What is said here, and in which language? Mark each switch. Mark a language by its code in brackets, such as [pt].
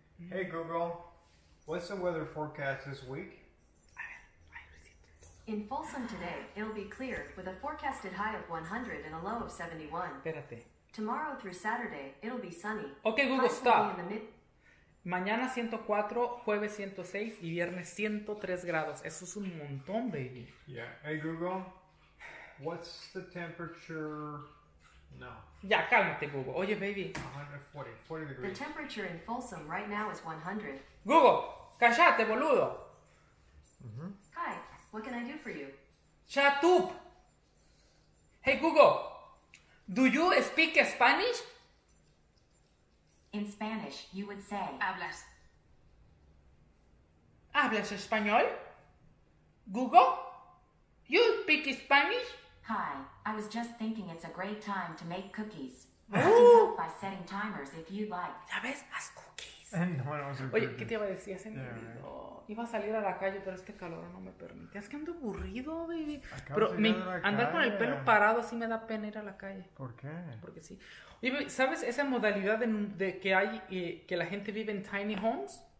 [en] Hey Google, what's the weather forecast this week? In Folsom today, it'll be clear with a forecasted high of 100 and a low of 71. [es] Espérate. [en] Tomorrow through Saturday, it'll be sunny. Okay, Google, stop. [es] Mañana 104, jueves 106 y viernes 103 grados. Eso es un montón, baby. [en] Yeah. Hey Google, what's the temperature? [es] No. Ya, cálmate, Google. Oye, baby. [en] 140 degrees. The temperature in Folsom right now is 100. [es] Google, cállate, boludo. [en] Hi, what can I do for you? Shut up. Hey Google, do you speak Spanish? In Spanish, you would say... [es] Hablas. ¿Hablas español? [en] Google, you speak Spanish? Hi, I was just thinking it's a great time to make cookies. By setting timers if you'd like. [es] ¿Ya ves? Haz cookies. Oye, ¿qué te iba a decir? Hace mi vida. Iba a salir a la calle, pero este calor no me permite. Es que ando aburrido, baby. Pero andar con el pelo parado así me da pena ir a la calle. ¿Por qué? Porque sí. Oye, baby, ¿sabes esa modalidad de que hay, que la gente vive en [en] tiny homes?